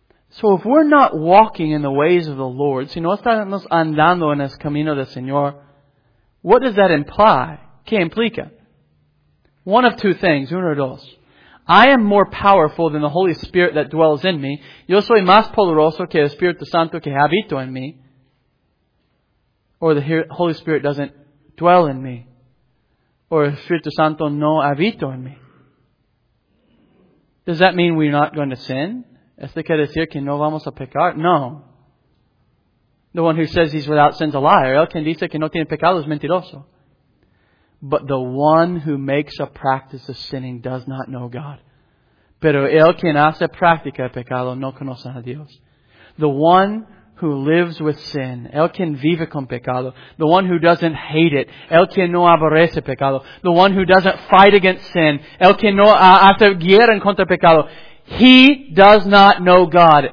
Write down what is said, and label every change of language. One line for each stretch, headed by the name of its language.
English: So if we're not walking in the ways of the Lord,
Spanish: si no estamos andando en el camino del Señor,
English: what does that imply?
Spanish: ¿Qué implica?
English: One of two things,
Spanish: uno o dos.
English: I am more powerful than the Holy Spirit that dwells in me.
Spanish: Yo soy más poderoso que el Espíritu Santo que habito en mí.
English: Or the Holy Spirit doesn't dwell in me.
Spanish: Or el Espíritu Santo no habito en mí.
English: Does that mean we're not going to sin?
Spanish: ¿Esto quiere decir que no vamos a pecar? No.
English: The one who says he's without sin is a liar.
Spanish: El que dice que no tiene pecado es mentiroso.
English: But the one who makes a practice of sinning does not know God.
Spanish: Pero el que hace práctica de pecado no conoce a Dios.
English: The one who lives with sin,
Spanish: el que vive con pecado,
English: the one who doesn't hate it,
Spanish: el que no aborrece pecado,
English: the one who doesn't fight against sin,
Spanish: el que no hace guerra en contra pecado,
English: he does not know God.